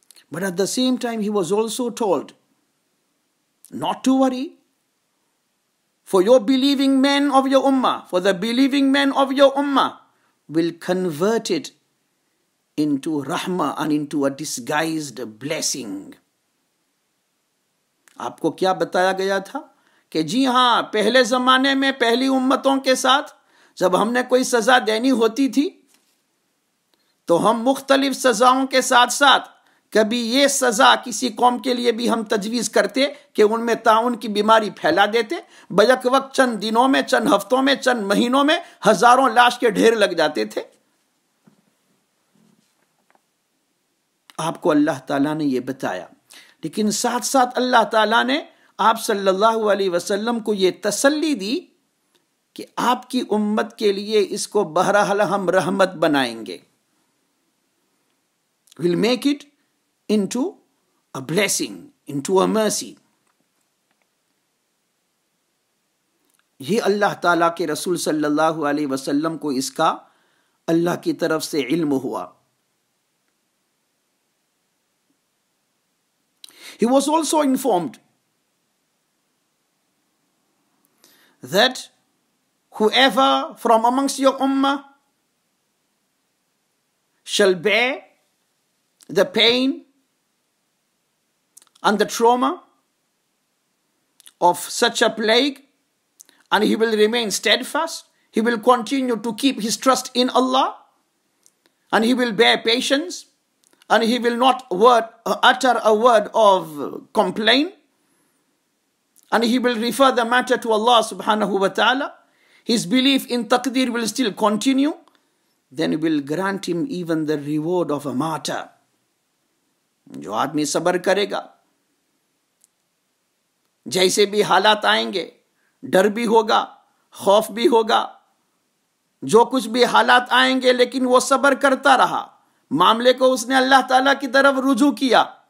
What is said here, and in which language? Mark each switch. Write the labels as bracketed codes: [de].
[en] But at the same time, he was also told not to worry, for your believing men of your ummah, for the believing men of your ummah will convert it into rahmah and into a disguised blessing. [ur] Aapko kya bataya gaya tha? Ke ji haan, pehle zamane mein, pehli ummaton ke saath, jab humne koi saza deni hoti thi, to hum mukhtalif sazaon ke saath saath, کبھی یہ سزا کسی قوم کے لیے بھی ہم تجویز کرتے کہ ان میں طاعون کی بیماری پھیلا دیتے, بیک وقت چند دنوں میں, چند ہفتوں میں, چند مہینوں میں ہزاروں لاش کے ڈھیر لگ جاتے تھے. آپ کو اللہ تعالیٰ نے یہ بتایا, لیکن ساتھ ساتھ اللہ تعالیٰ نے آپ صلی اللہ علیہ وسلم کو یہ تسلی دی کہ آپ کی امت کے لیے اس کو بہرحال ہم رحمت بنائیں گے, [en] We'll make it into a blessing, into a mercy. [ur] یہ اللہ تعالیٰ کے رسول صلی اللہ علیہ وسلم کو اس کا اللہ کی طرف سے علم ہوا. [en] He was also informed that whoever from amongst your ummah shall bear the pain and the trauma of such a plague, and he will remain steadfast, he will continue to keep his trust in Allah, and he will bear patience, and he will not utter a word of complaint, and he will refer the matter to Allah subhanahu wa ta'ala, his belief in taqdeer will still continue, then we will grant him even the reward of a martyr. [ur] Jo aadmi sabr karega, جیسے بھی حالات آئیں گے, ڈر بھی ہوگا, خوف بھی ہوگا, جو کچھ بھی حالات آئیں گے, لیکن وہ صبر کرتا رہا, معاملے کو اس نے اللہ تعالیٰ کی طرف رجوع کیا,